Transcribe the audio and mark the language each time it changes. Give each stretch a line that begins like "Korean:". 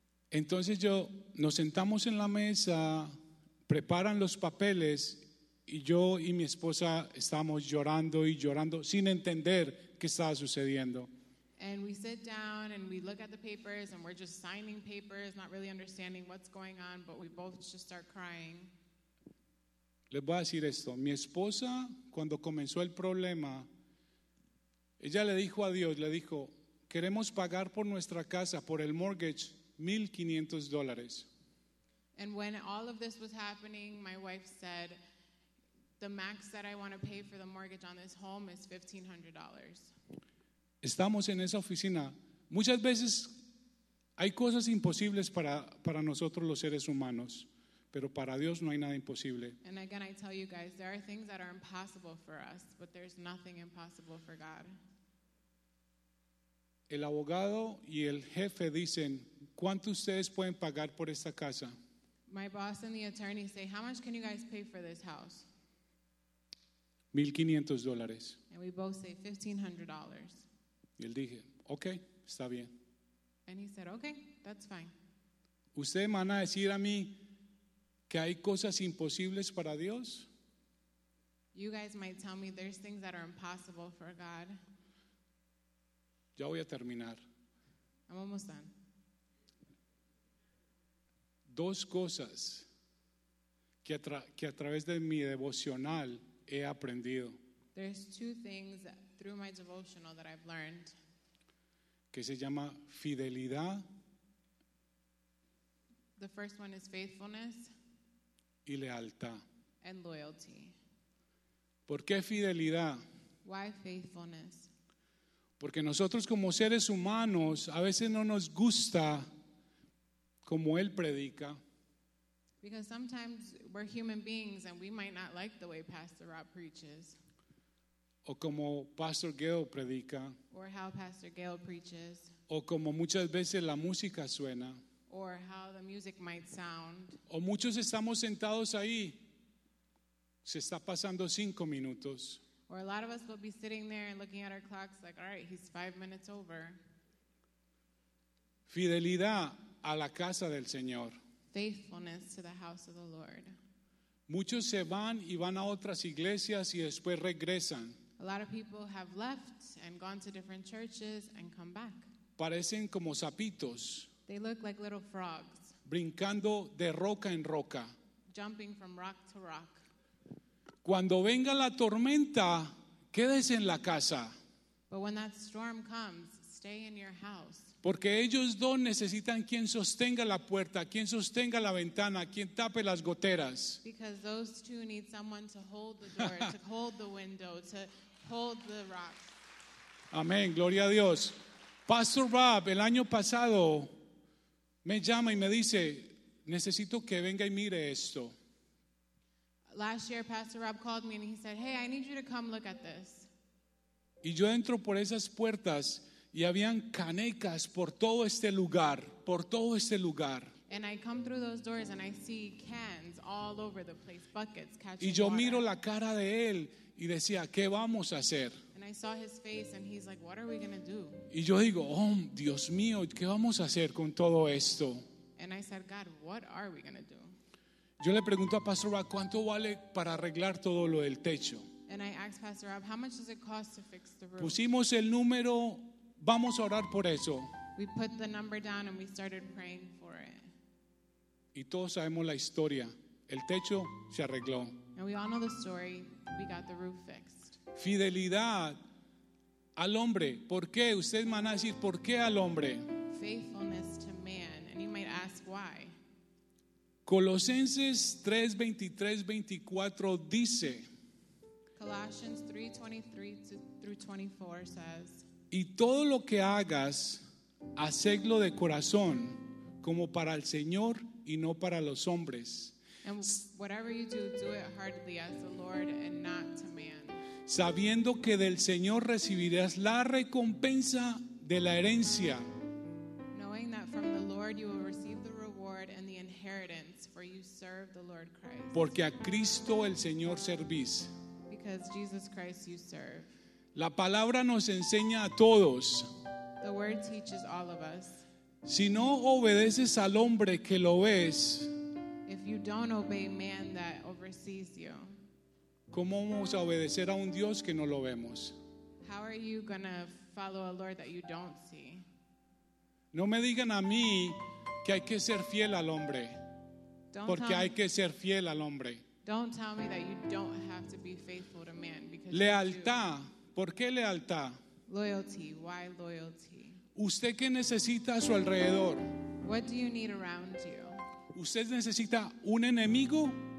Spanish: Entonces yo, nos sentamos en la mesa, preparan los papeles, y yo y mi esposa estábamos llorando y llorando sin entender qué estaba sucediendo.
English: And we sit down and we look at the papers and we're just signing papers, not really understanding what's going on, but we both just start crying.
Spanish: Les voy a decir esto. Mi esposa, cuando comenzó el problema, ella le dijo a Dios, le dijo, queremos pagar por nuestra casa, por el mortgage, $1,500.
English: And when all of this was happening, my wife said, the max that I want to pay for the mortgage on this home is $1,500.
Spanish: Estamos en esa oficina. Muchas veces hay cosas imposibles para nosotros los seres humanos. Pero para Dios no hay nada imposible.
English: And again, I tell you guys, there are things that are impossible for us, but there's nothing impossible for God.
Spanish: El abogado y el jefe dicen, ¿cuánto ustedes pueden pagar por esta casa?
English: My boss and the attorney say, how much can you guys pay for this house?
Spanish: $1,500.
English: And we both say $1,500.
Spanish: Y él dije, okay, está bien.
English: And he said, okay, that's fine.
Spanish: ¿Ustedes me van a decir a mí que hay cosas imposibles para Dios?
English: You guys might tell me there's things that are impossible for God.
Spanish: Ya voy a terminar.
English: I'm almost done.
Spanish: Dos cosas que a través de mi devocional he aprendido.
English: There's two things through my devotional that I've learned.
Spanish: Que se llama fidelidad.
English: The first one is faithfulness.
Spanish: Y lealtad.
English: And loyalty.
Spanish: ¿Por qué fidelidad?
English: Why faithfulness?
Spanish: Porque nosotros como seres humanos a veces no nos gusta como él predica.
English: Because sometimes we're human beings and we might not like the way Pastor Rob preaches.
Spanish: O como Pastor Gale predica.
English: Or how Pastor Gale preaches.
Spanish: O como muchas veces la música suena.
English: Or how the music might sound.
Spanish: O muchos estamos sentados ahí. Se está pasando 5 minutos.
English: Or a lot of us will be sitting there and looking at our clocks like, all right, he's 5 minutes over.
Spanish: Fidelidad a la casa del Señor.
English: Faithfulness to the house of the Lord.
Spanish: Muchos se van y van a otras iglesias y después regresan.
English: A lot of people have left and gone to different churches and come back.
Spanish: Parecen como sapitos.
English: They look like little frogs.
Spanish: Brincando de roca en roca.
English: Jumping from rock to rock.
Spanish: Cuando venga la tormenta, quédese en la casa.
English: But when that storm comes, stay in your house.
Spanish: Porque ellos dos necesitan quien sostenga la puerta, quien sostenga la ventana, quien tape las goteras.
English: Because those two need someone to hold the door, to hold the window, to hold the rocks.
Spanish: Amén, gloria a Dios. Pastor Rob, el año pasado, me llama y me dice, necesito que venga y mire esto.
English: Last year, Pastor Rob called me and he said, hey, I need you to come look at this.
Spanish: Y yo entro por esas puertas y habían canecas por todo este lugar, por todo este lugar.
English: And I come through those doors and I see cans all over the place, buckets catching water.
Spanish: Y yo miro la cara de él y decía, ¿qué vamos a hacer?
English: And I saw his face and he's like, what are we going to do?
Spanish: Y yo digo, oh, Dios mío, ¿qué vamos a hacer con todo esto?
English: And I said, God, what are we going to do?
Spanish: Yo le pregunto a Pastor Rob, ¿cuánto vale para arreglar todo lo del techo?
English: And I asked Pastor Rob, how much does it cost to fix the roof?
Spanish: Pusimos el número, vamos a orar por eso.
English: We put the number down and we started praying for it.
Spanish: Y todos sabemos la historia. El techo se arregló.
English: And we all know the story. We got the roof fixed.
Spanish: Fidelidad al hombre. ¿Por qué? Ustedes van a decir, ¿por qué al hombre?
English: Faithfulness to man. And you might ask why.
Spanish: Colosenses 3:23-24 dice.
English: Colossians 3:23-24 says.
Spanish: Y todo lo que hagas, hacedlo de corazón, como para el Señor y no para los hombres.
English: And whatever you do, do it heartily as the Lord and not to man.
Spanish: Sabiendo que del Señor recibirás la recompensa de la herencia.
English: Knowing that from the Lord you will receive the reward and the inheritance, for you serve the Lord Christ.
Spanish: Porque a Cristo el Señor servís.
English: Because Jesus Christ you serve.
Spanish: La palabra nos enseña a todos.
English: The word teaches all of us.
Spanish: Si no obedeces al hombre que lo ves,
English: if you don't obey man that oversees you,
Spanish: ¿cómo vamos a obedecer a un Dios que no lo vemos?
English: How are you gonna follow a Lord that you don't see?
Spanish: No me digan a mí que hay que ser fiel al hombre.
English: Don't
Spanish: porque hay que ser fiel al hombre.
English: Don't tell me that you don't have to be faithful to man because
Spanish: lealtad. ¿Por qué lealtad?
English: Loyalty. Why loyalty?
Spanish: ¿Usted qué necesita a su alrededor?
English: What do you need around you?
Spanish: ¿Usted necesita un enemigo?